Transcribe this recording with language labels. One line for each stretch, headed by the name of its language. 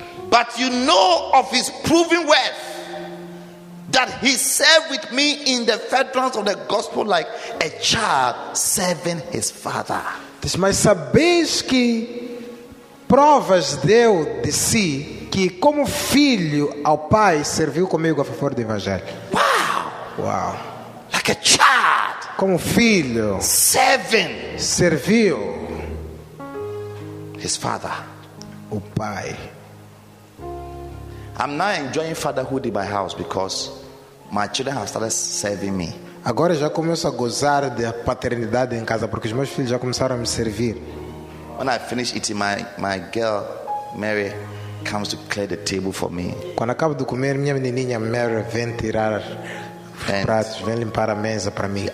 English: But you know of his proven worth, that he served with me in the furtherance of the gospel like a child serving his father.
Portuguese: Diz, mas sabeis que provas deu de si, que como filho ao pai serviu comigo a favor do evangelho.
English: Wow. Wow. Like a child.
Portuguese: Como filho,
English: seven,
Portuguese: serviu
English: his father,
Portuguese: o pai.
English: I'm now enjoying fatherhood in my house because my children have started serving me.
Portuguese: Agora já começo a gozar da paternidade em casa porque os meus filhos já começaram a me servir.
English: When I finish eating, my girl Mary comes to clear the table for me.
Portuguese: Quando acabo de comer, minha menininha Mary vem tirar pratos, vem limpar a mesa para mim.